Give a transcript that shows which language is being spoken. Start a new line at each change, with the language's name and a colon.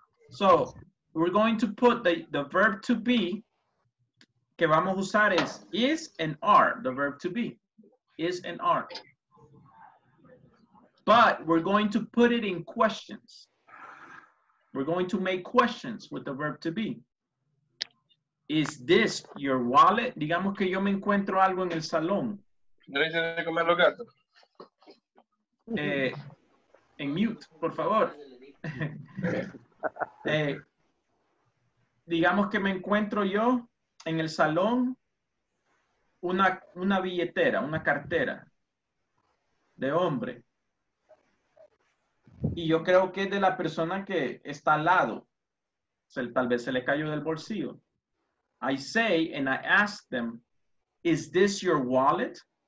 English: So, we're going to put the verb to be,
Spanish: que vamos a usar
English: is and are, the verb to be, is and are. But we're going to put it in questions. We're going to make questions with the verb to be. Is this your wallet?
Spanish: Digamos que yo me encuentro algo en el salón. ¿No dicen de comer los gatos? En mute, por favor. Digamos que me encuentro yo en el salón una billetera, una cartera de hombre. Y yo creo que es de la persona que está al lado. Tal vez se le cayó del bolsillo.
English: I say and I ask them, is this your wallet?